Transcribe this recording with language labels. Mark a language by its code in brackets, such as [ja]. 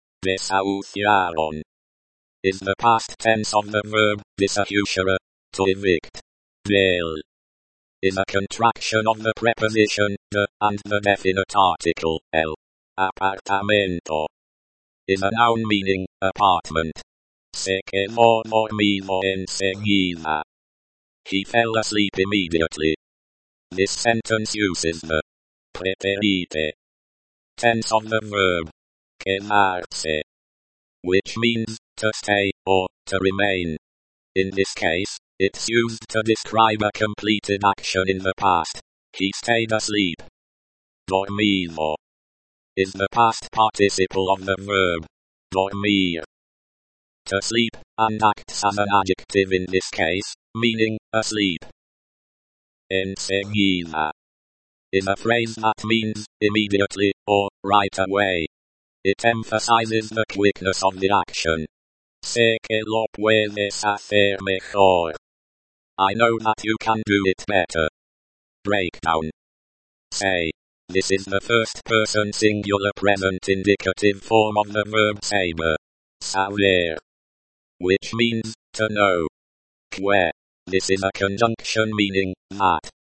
[en] Desahuciaron. Is the past tense of the verb, desahuciar, to evict. Del. Is a contraction of the preposition, de, and the definite article, el. Apartamento. Is a noun meaning, apartment. [es] Se quedó dormido enseguida. [en] He fell asleep immediately. This sentence uses the preterite tense of the verb quedarse, which means to stay or to remain. In this case, it's used to describe a completed action in the past. He stayed asleep. Dormido is the past participle of the verb dormir. To sleep, and acts as an adjective in this case, meaning, asleep. Enseguida is a phrase that means, immediately, or, right away. It emphasizes the quickness of the action. [es] Sé que lo puedes hacer mejor. [en] I know that you can do it better. Breakdown. Say. This is the first person singular present indicative form of the verb saber. Saber. Which means, to know. Que, this is a conjunction meaning, that.